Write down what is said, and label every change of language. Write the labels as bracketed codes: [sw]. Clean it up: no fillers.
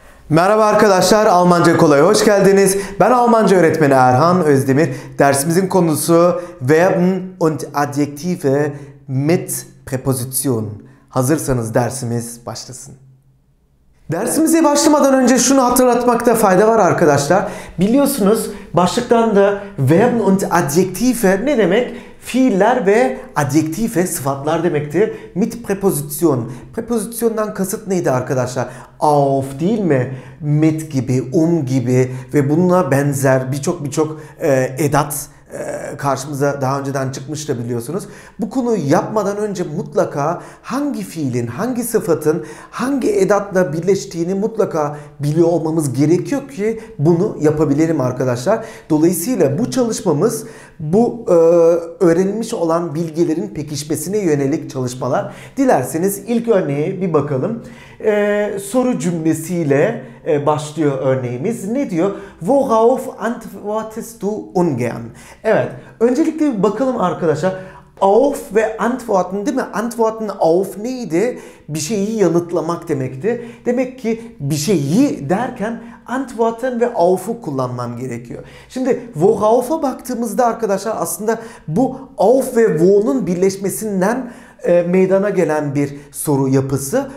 [tr] Merhaba arkadaşlar, Almanca Kolay'a hoş geldiniz. Ben Almanca öğretmeni Erhan Özdemir. Dersimizin konusu [de] Verben und Adjektive mit Präposition. [tr] Hazırsanız dersimiz başlasın. Dersimize başlamadan önce şunu hatırlatmakta fayda var arkadaşlar. Biliyorsunuz başlıktan da [de] Verben und Adjektive [tr] ne demek? Fiiller ve adjektife sıfatlar demektir. [de] Mit Präposition. [tr] Präpositiondan kasıt neydi arkadaşlar? Auf değil mi? Mit gibi, gibi ve bununla benzer birçok edat karşımıza daha önceden çıkmış da biliyorsunuz. Bu konuyu yapmadan önce mutlaka hangi fiilin, hangi sıfatın, hangi edatla birleştiğini mutlaka biliyor olmamız gerekiyor ki bunu yapabilirim arkadaşlar. Dolayısıyla bu çalışmamız bu öğrenilmiş olan bilgilerin pekişmesine yönelik çalışmalar. Dilerseniz ilk örneğe bir bakalım. Soru cümlesiyle başlıyor örneğimiz. Ne diyor? [de] Worauf antwortest du ungern? [tr] Evet. Öncelikle bir bakalım arkadaşlar. Auf ve antworten değil mi? Antworten auf neydi? Bir şeyi yanıtlamak demekti. Demek ki bir şeyi derken antworten ve auf'u kullanmam gerekiyor. Şimdi worauf'a baktığımızda arkadaşlar aslında bu auf ve wo'nun birleşmesinden meydana gelen bir soru yapısı.